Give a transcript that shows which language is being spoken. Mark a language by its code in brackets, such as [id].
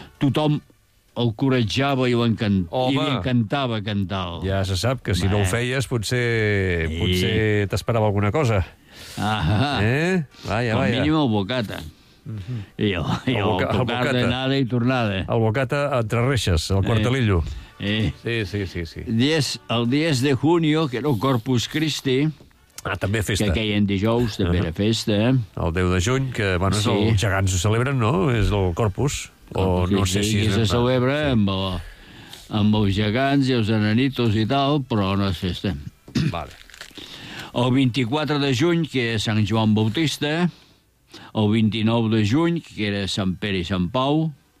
[ca] tothom el coratjava i li encantava cantar-ho. Ja se sap que si no ho feies potser t'esperava alguna cosa. Vaja, vaja. Al mínim el bocata. Mm-hmm. I el bocata d'anada i tornada. El bocata entre reixes, el quartelillo. Sí, sí, sí. [es] El 10 de junio, que era el Corpus Christi... [ca] Ah, també festa. Que queien dijous, també era festa. El 10 de juny, que, bueno, sí, els gegants ho celebren, no? És el Corpus. Se celebra amb els gegants i els ananitos i tal, però no és festa. Vale. El 24 de juny, que és Sant Joan Bautista. El 29 de juny, que era Sant Pere i Sant Pau.